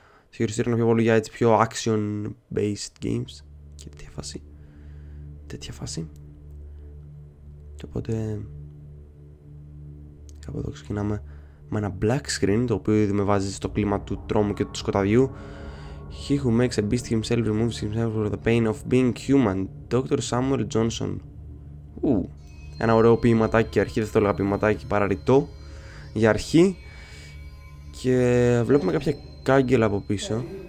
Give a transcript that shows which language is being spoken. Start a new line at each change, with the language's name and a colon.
Greek: Το χειριστήριο είναι πιο πολύ για έτσι πιο action based games. Και τέτοια φάση. Τέτοια φάση. Και οπότε κάπου εδώ ξεκινάμε με ένα black screen, το οποίο ήδη με βάζει στο κλίμα του τρόμου και του σκοταδιού.
English: He who makes a beast himself removes himself for the pain of being human. Dr. Samuel Johnson.
Greek: Ένα ωραίο ποιηματάκι και αρχή, δεν θα το έλεγα ποιηματάκι, παραρριτό για αρχή. Και βλέπουμε κάποια κάγκελα από πίσω.